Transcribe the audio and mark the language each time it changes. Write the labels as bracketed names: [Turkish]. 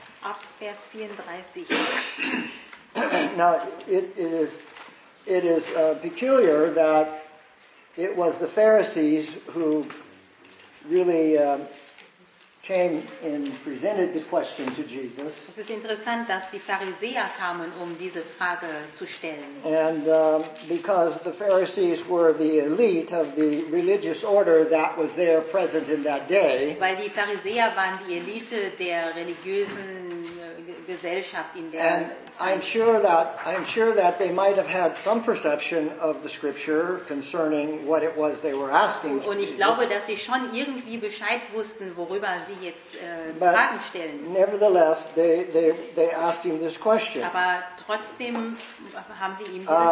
[German] Ab Vers 34. [English] Now it is peculiar that it was the Pharisees who really came and presented the question to Jesus. [German] Es ist interessant, dass die Pharisäer kamen, um diese Frage zu stellen. [English] And because the Pharisees were the elite of the religious order that was there present in that day. [German] Weil die Pharisäer waren die Elite der religiösen Gesellschaft in der. [English] And I'm sure that they might have had some perception of the scripture concerning what it was they were asking. [German] Und ich glaube, dass sie schon irgendwie Bescheid wussten, worüber sie jetzt Fragen stellen. [English] Nevertheless, they asked him this question. [German] Aber trotzdem haben sie ihm diese